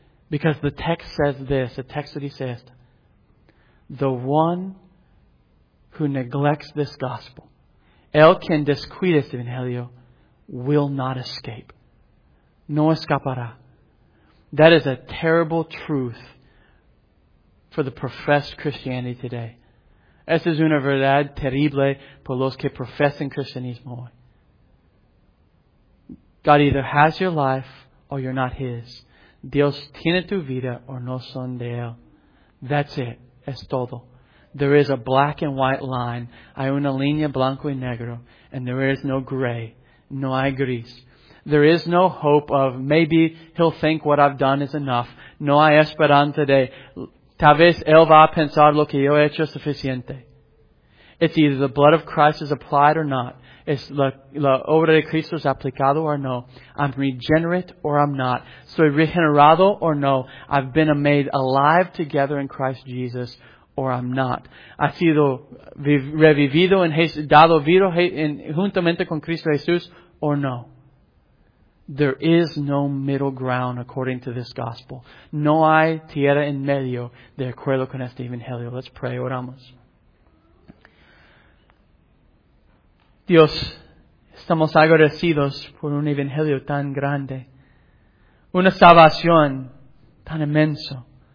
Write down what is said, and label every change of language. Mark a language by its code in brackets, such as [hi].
[en] Because the text says this, the text that he says, the one who neglects this gospel, [es] el quien descuida este evangelio, [en] will not escape. [es] No escapará. [en] That is a terrible truth for the professed Christianity today. [es] Esa es una verdad terrible por los que profesan cristianismo hoy. [en] God either has your life or you're not his. [es] Dios tiene tu vida o no son de él. [en] That's it. [es] Es todo. [en] There is a black and white line. [es] Hay una línea blanco y negro. [en] And there is no gray. [es] No hay gris. [en] There is no hope of maybe he'll think what I've done is enough. [es] No hay esperanza de tal vez él va a pensar lo que yo he hecho suficiente. [en] It's either the blood of Christ is applied or not. [es] Es la obra de Cristo es aplicado o no. [en] I'm regenerate or I'm not. [es] Soy regenerado o no. [en] I've been made alive together in Christ Jesus or I'm not. [es] Ha sido revivido en dado vivo juntamente con Cristo Jesús o no. [en] There is no middle ground according to this gospel. [es] No hay tierra en medio de acuerdo con este evangelio. [en] Let's pray. [es] Oramos. [en] Dios, [es] estamos agradecidos por un evangelio tan grande, una salvación tan inmenso.